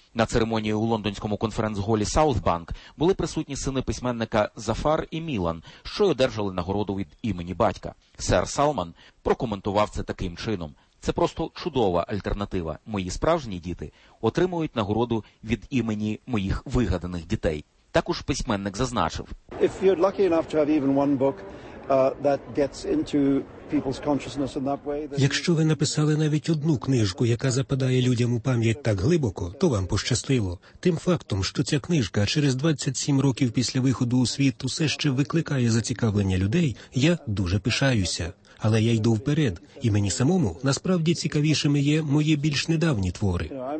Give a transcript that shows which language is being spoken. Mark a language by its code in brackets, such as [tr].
[uk] На церемонії у лондонському конференц-голі «Саутбанк» були присутні сини письменника Зафар і Мілан, що й одержали нагороду від імені батька. Сер Салман прокоментував це таким чином: «Це просто чудова альтернатива. Мої справжні діти отримують нагороду від імені моїх вигаданих дітей». Також письменник зазначив: [en] «If you're lucky enough to have even one book that gets into people's consciousness in that way, then... [uk] Якщо ви написали навіть одну книжку, яка западає людям у пам'ять так глибоко, то вам пощастило. Тим фактом, що ця книжка через 27 років після виходу у світ усе ще викликає зацікавлення людей, я дуже пишаюся. Але я йду вперед, і мені самому насправді цікавішими є мої більш недавні твори».